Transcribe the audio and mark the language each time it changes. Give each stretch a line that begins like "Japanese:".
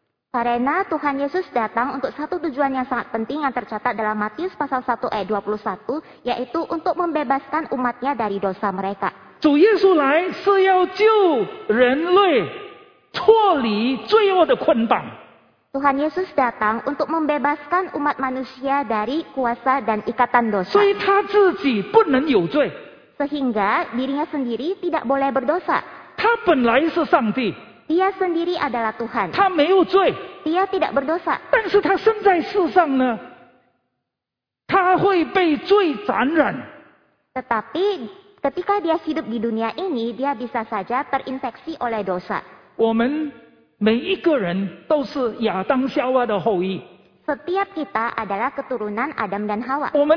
Indonesian: Karena Tuhan Yesus datang untuk satu tujuan yang sangat penting yang tercatat dalam Matius pasal 1 ayat 21, yaitu untuk membebaskan umatnya dari dosa mereka.
Chinese: 主耶稣来是要救人类脱离罪恶的捆绑。
Indonesian: Tuhan Yesus datang untuk membebaskan umat manusia dari kuasa dan ikatan dosa.
Chinese: 所以他自己不能有罪。
Indonesian: Sehingga dirinya sendiri tidak boleh berdosa.
Chinese: 他本来是上帝。
Indonesian: Dia sendiri adalah Tuhan.
Chinese: 他没有罪。
Indonesian: Dia tidak berdosa.
Chinese: 但是他生在世上呢, 他会被罪沾染。
Indonesian: Tetapi ketika dia hidup di dunia ini, dia bisa saja terinfeksi oleh dosa.
Chinese: 我们 每一个人都是亚当夏娃的后裔。
Indonesian: Setiap kita adalah keturunan Adam dan Hawa.